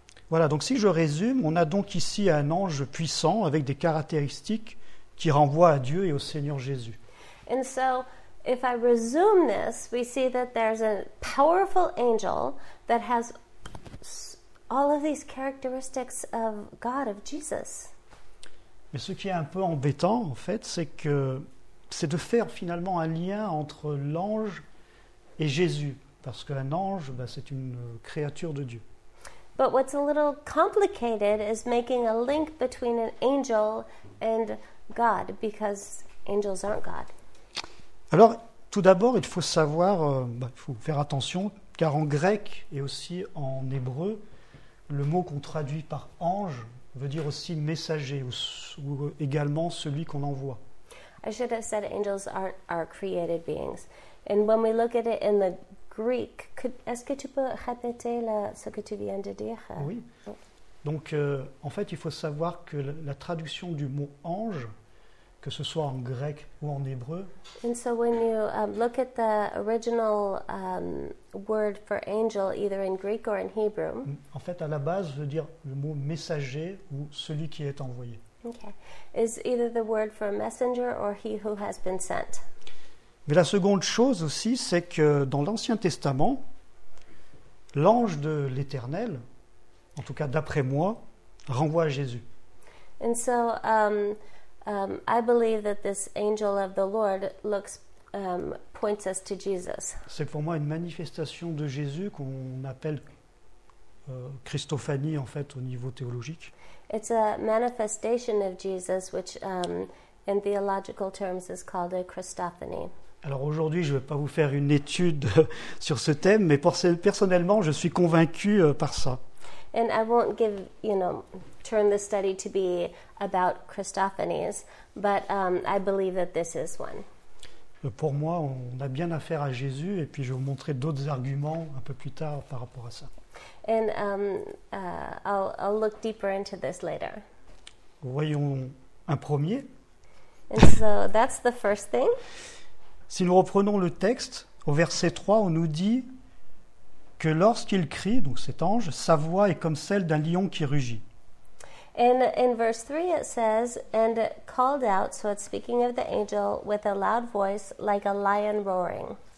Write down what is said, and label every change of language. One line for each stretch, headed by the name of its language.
French: Voilà, donc si je résume, on a donc ici un ange puissant avec des caractéristiques qui renvoient à Dieu et au Seigneur Jésus.
English: And so, if I resume this, we see that there's a powerful angel that has all of these characteristics of God, of Jesus.
French: Mais ce qui est un peu embêtant, en fait, c'est de faire finalement un lien entre l'ange et Jésus. Parce qu'un ange, ben, c'est une créature de Dieu.
English: But what's a little complicated is making a link between an angel and God, because angels aren't God.
French: Alors, tout d'abord, il faut savoir, faut faire attention, car en grec et aussi en hébreu, le mot qu'on traduit par ange veut dire aussi messager ou également celui qu'on envoie.
English: I should have said angels are created beings. And when we look at it in the Greek.
French: Est-ce que tu peux répéter ce que tu viens de dire? Oui. Donc, en fait, il faut savoir que la traduction du mot ange, que ce soit en grec ou en hébreu.
English: And so, when you look at the original word for angel, either in Greek or in Hebrew.
French: En fait, à la base, veut dire le mot messager ou celui qui est envoyé.
English: Okay. Is either the word for messenger or he who has been sent.
French: Mais la seconde chose aussi, c'est que dans l'Ancien Testament, l'ange de l'Éternel, en tout cas d'après moi, renvoie à Jésus.
English: And so, I believe that this angel of the Lord looks, points us to Jesus.
French: C'est pour moi une manifestation de Jésus qu'on appelle Christophanie, en fait, au niveau théologique.
English: It's a manifestation of Jesus, which in theological terms is called a Christophany.
French: Alors aujourd'hui, je ne vais pas vous faire une étude sur ce thème, mais personnellement, je suis convaincu par ça.
English: And I won't give, you know, turn the study to be about Christophanies, but I believe that this is one.
French: Pour moi, on a bien affaire à Jésus, et puis je vais vous montrer d'autres arguments un peu plus tard par rapport à ça.
English: And I'll look deeper into this later.
French: Voyons un premier.
English: And so that's the first thing.
French: Si nous reprenons le texte, au verset 3, on nous dit que lorsqu'il crie, donc cet ange, sa voix est comme celle d'un lion qui rugit.
English: In verse 3 it says, and called out, so it's speaking of the angel, with a loud voice like a lion roaring.